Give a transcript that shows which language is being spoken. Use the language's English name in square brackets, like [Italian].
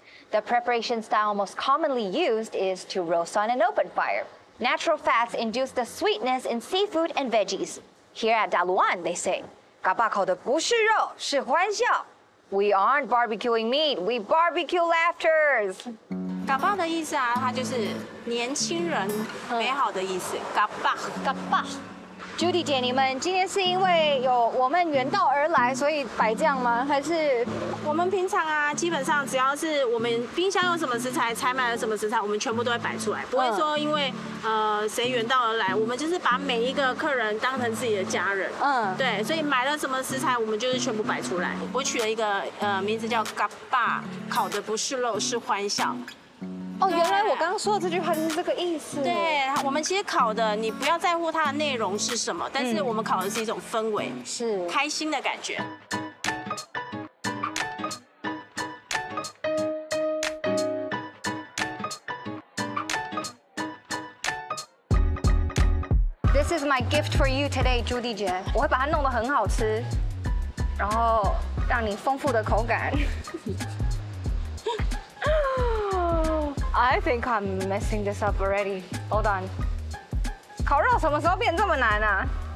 [English] The preparation style most commonly used is to roast on an open fire. Natural fats induce the sweetness in seafood and veggies. Here at Daluan, they say, [Chinese] 嘎巴口的不是肉，是欢笑。 [English] We aren't barbecuing meat, we barbecue laughters. [Chinese] 嘎巴的意思啊，它就是年轻人美好的意思。嘎巴，嘎巴。 Judy 姐，你们今天是因为有我们远道而来，所以摆这样吗？还是我们平常啊，基本上只要是我们冰箱有什么食材，采买了什么食材，我们全部都会摆出来，不会说因为谁远道而来，我们就是把每一个客人当成自己的家人。嗯，对，所以买了什么食材，我们就是全部摆出来。我取了一个名字叫 “Gaba”， 烤的不是肉，是欢笑。哦，原来我刚刚说的这句话就是这个意思。对，我们其实烤的，你不要在乎它的内容是什么，但是我们烤的是一种氛围，是开心的感觉。 [English] This is my gift for you today, Judy 姐。 [Chinese] 我会把它弄得很好吃，然后让你丰富的口感。 [English] I think I'm messing this up already. Hold on. [Chinese] 烤肉什么时候变这么难啊？